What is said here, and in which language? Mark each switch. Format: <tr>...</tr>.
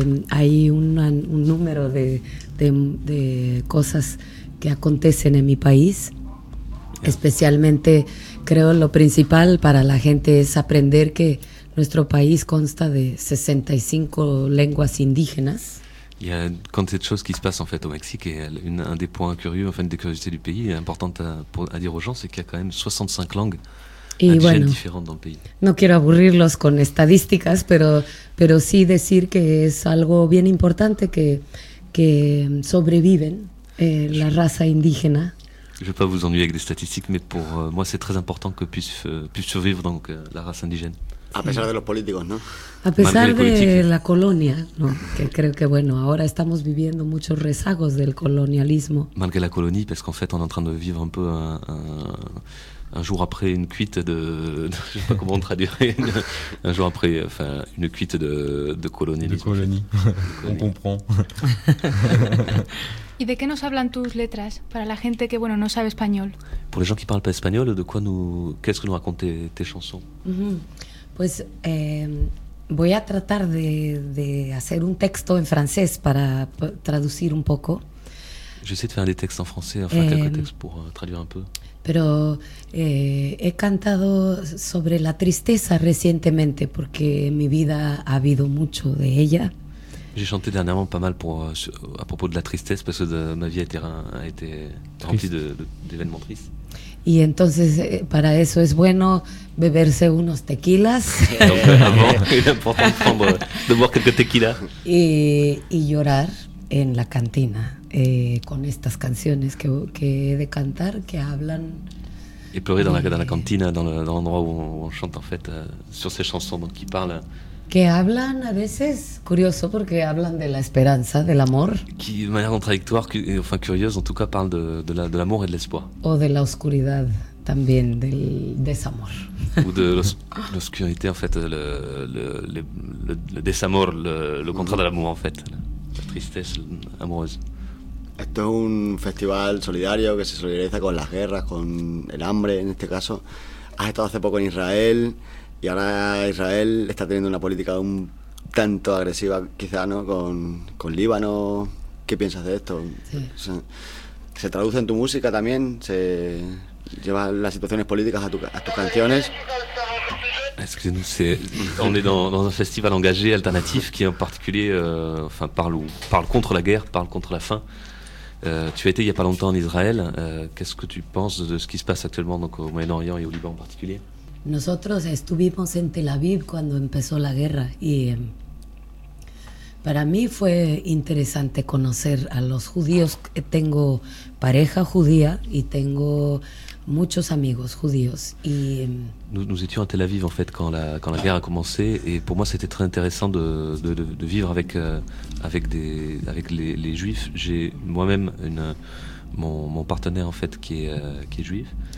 <es>Hay un número de cosas que acontecen en mi país. Yeah. Especialmente, creo, lo principal para la gente es aprender que nuestro país consta de 65 lenguas indígenas.</es> <fr>Il y a quantité de choses qui se passent en fait au Mexique, et un des points curieux, enfin des curiosités du pays, importante à dire aux gens, c'est qu'il y a quand même 65 langues indigènes</fr> <es>bueno,</es> <fr>différentes dans le pays.</fr> <es>No quiero aburrirlos con estadísticas, pero sí decir que es algo bien importante que sobreviven la raza indígena.</es> <fr>Je ne vais pas vous ennuyer avec des statistiques, mais pour moi c'est très important que puisse survivre donc la race indigène.</fr> <es>A pesar de los políticos, ¿no? A pesar de la colonia, ¿no? Que creo que bueno, ahora estamos viviendo muchos rezagos del colonialismo.</es> <fr>Malgré la colonie, parce qu'en fait, on est en train de vivre un peu un jour après une cuite de, je sais pas comment traduire, un jour après, enfin, une cuite de colonialisme. De colonie. On comprend.</fr> <es>¿Y de qué nos hablan tus letras para la gente que bueno no sabe español?</es> <fr>Pour les gens qui parlent pas espagnol, de quoi nous, qu'est-ce que nous racontent tes chansons?</fr> <es>Pues voy a tratar de hacer un texto en francés para traducir un poco.</es> <fr>Je vais essayer de faire des textes en français, enfin quelques textes pour traduire un peu.</fr> <es>Pero he cantado sobre la tristeza recientemente porque en mi vida ha habido mucho de ella.</es> <fr>J'ai chanté dernièrement pas mal pour, à propos de la tristesse parce que ma vie a été remplie d'événements tristes.</fr> <es>Y entonces para eso es bueno beberse unos tequilas.</es> <fr>Donc, avant, il est important de boire quelques tequilas.</fr> <es>Y llorar en la cantina con estas canciones que he de cantar que hablan.</es> <fr>Et pleurer dans la cantina, dans l'endroit où on chante en fait sur ces chansons donc qui parlent.</fr> <es>Que hablan a veces, curioso, porque hablan de la esperanza, del amor.</es> <fr>Qui, de manière contradictoire, enfin curieuse, en tout cas, parle de l'amour et de l'espoir.</fr> <es>O de la oscuridad, también, del desamor.</es> <fr>Ou de l'obscurité, en fait, le desamor, le contraire de l'amour, en fait. La tristesse amoureuse.</fr> <es>Esto es un festival solidario que se solidariza con las guerras, con el hambre, en este caso. Has estado hace poco en Israel. Y ahora Israel está teniendo una política un tanto agresiva, quizá, ¿no? Con Líbano. ¿Qué piensas de esto? Sí. ¿Se traduce en tu música también? ¿Se lleva las situaciones políticas a tus canciones?</es> <fr>Excusez-nous, on est dans un festival engagé, alternatif, qui en particulier enfin, parle contre la guerre, parle contre la faim. Tu as été il n'y a pas longtemps en Israël. Qu'est-ce que tu penses de ce qui se passe actuellement donc, au Moyen-Orient et au Liban en particulier?</fr> <es>Nosotros estuvimos en Tel Aviv cuando empezó la guerra y para mí fue interesante conocer a los judíos. Tengo pareja judía y tengo muchos amigos judíos. Y,</es> <fr>nous étions à Tel Aviv en fait quand la guerre a commencé et pour moi c'était très intéressant de vivre avec les juifs. J'ai moi-même mon partenaire en fait qui est juif.</fr>